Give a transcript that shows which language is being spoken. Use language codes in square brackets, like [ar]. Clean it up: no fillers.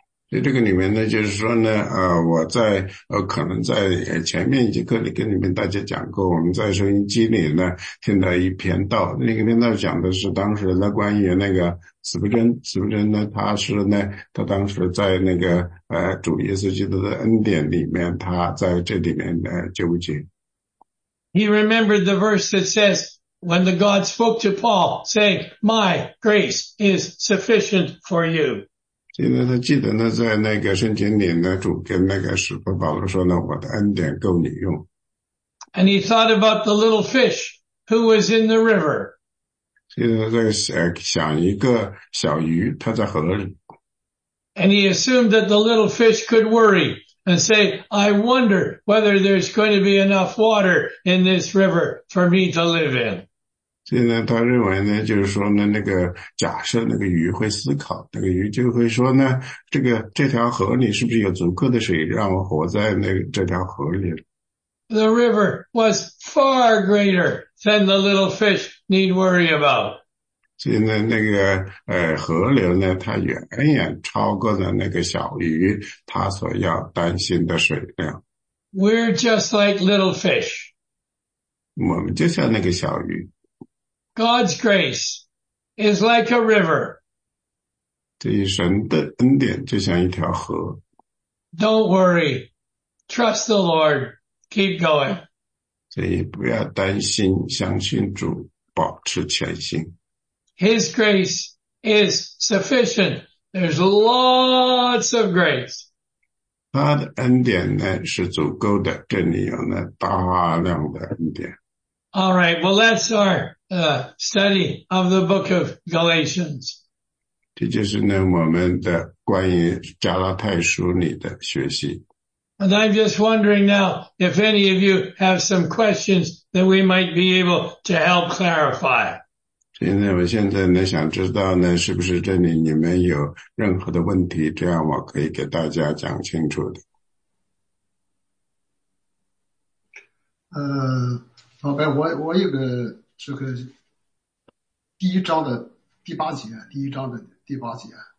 [zh] 所以这个里面呢，就是说呢，我在可能在前面一节课里跟你们大家讲过，我们在收音机里呢听到一篇道，那个篇道讲的是当时呢关于那个斯普真呢，他是呢，他当时在那个主耶稣基督的恩典里面，他在这里面呢纠结。 [en] He remembered the verse that says, when the God spoke to Paul, saying, my grace is sufficient for you. [zh] 现在他记得呢，在那个圣经里呢，主跟那个使徒保罗说呢，我的恩典够你用。 [en] And he thought about the little fish who was in the river. [zh] 现在在想一个小鱼，它在河里。 [en] And he assumed that the little fish could worry and say, I wonder whether there's going to be enough water in this river for me to live in. [zh] 现在他认为呢，就是说呢，那个假设那个鱼会思考，那个鱼就会说呢，这条河里是不是有足够的水让我活在那个、这条河里？ [en] The river was far greater than the little fish need worry about. [zh] 现在那个河流呢，它远远超过了那个小鱼它所要担心的水量。 [en] We're just like little fish. [zh] 我们就像那个小鱼。 [en] God's grace is like a river. [zh] 这一神的恩典就像一条河。 [en] Don't worry. Trust the Lord. Keep going. [zh] 所以不要担心，相信主，保持前行。 [en] His grace is sufficient. There's lots of grace. [zh] 他的恩典呢，是足够的，这里有呢，大量的恩典。 [en] All right, well, that's our study of the book of Galatians. [zh] 这就是呢我们的关于加拉太书里的学习。 [en] And I'm just wondering now if any of you have some questions that we might be able to help clarify. [zh] 现在我现在呢想知道呢是不是这里你们有任何的问题，这样我可以给大家讲清楚的。宝贝，我有个这个第一章的第八节，第一章的第八节，